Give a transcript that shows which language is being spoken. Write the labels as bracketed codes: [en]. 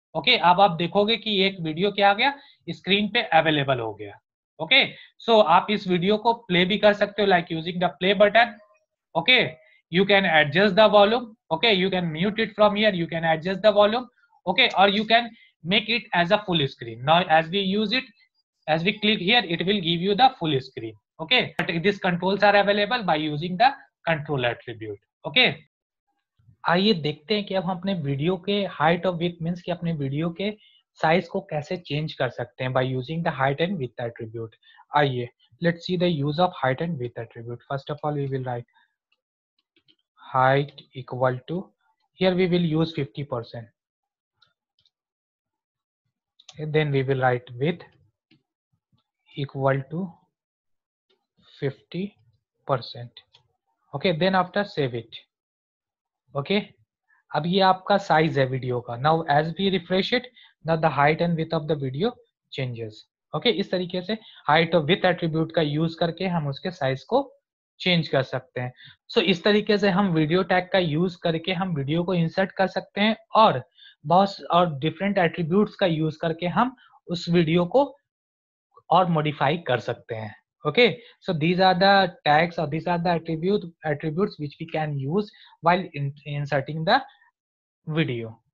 [hi] Okay, अब आप देखोगे कि एक वीडियो क्या आ गया, स्क्रीन पे अवेलेबल हो गया. ओके, सो आप इस वीडियो को प्ले भी कर सकते हो [en] Like using the play button. Okay, you can adjust the volume. Okay, you can mute it from here, you can adjust the volume. Okay, [hi] और [en] You can make it as a full screen. Now as we use it, as we click here, it will give you the full screen. Okay, but these controls are available by using the control attribute. [hi] Okay, आइए देखते हैं कि अब हम अपने video के height और width means कि अपने वीडियो के साइज को कैसे चेंज कर सकते हैं [en] By using the height and width attribute. आइए let's see the use of height and width attribute. First of all we will write height equal to, here we will use 50%, then we will write width equal to 50%. [hi] Okay, [en] Then after save it. [hi] Okay, अब ये आपका size है video का. [en] Now as we refresh it, now the height and width of the video changes. [hi] Okay, इस तरीके से height और width attribute का यूज करके हम उसके साइज को चेंज कर सकते हैं. सो इस तरीके से हम वीडियो टैग का यूज करके हम वीडियो को इंसर्ट कर सकते हैं और बहुत और डिफरेंट एट्रीब्यूट का यूज करके हम उस वीडियो को और मॉडिफाई कर सकते हैं. [en] Okay, so these are the tags or these are the attributes which we can use while inserting the video.